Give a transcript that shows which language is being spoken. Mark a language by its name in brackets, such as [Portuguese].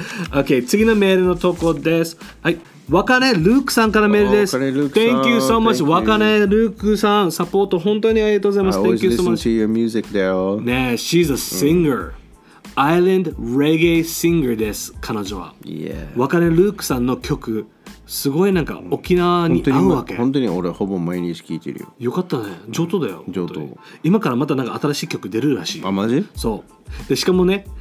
[Japanese] OK、次のメールの投稿です。はい、わかねルークさんからメールです。 [English] Thank you so much。 [Japanese] わかねルークさん、サポート本当にありがとうございます。 [English] Thank you so much。 I always listen to your music there。ねえ、she's a singer、うん。 [Japanese] Island Reggae Singer です。彼女は。わかねルークさんの曲。すごいなんか沖縄に合うわけ。本当に俺ほぼ毎日聞いてるよ。よかったね、上等だよ、上等。今からまたなんか新しい曲出るらしい。あ、マジ？そうで、しかもね、